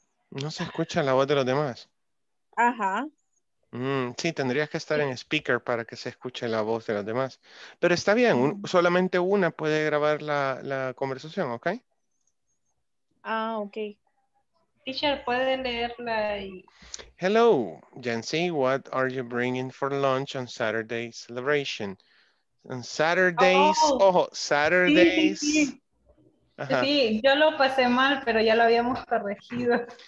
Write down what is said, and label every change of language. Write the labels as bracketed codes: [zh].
[es] No se escucha la voz de los demás. Ajá. Sí, tendrías que estar en speaker para que se escuche la voz de los demás. Pero está bien, solamente una puede grabar la conversación, ¿ok? Ah, ok. Teacher, puede leerla y... [en] Hello, Jancy, what are you bringing for lunch on Saturday celebration? On Saturdays, Saturdays. [es] Sí, yo lo pasé mal, pero ya lo habíamos corregido.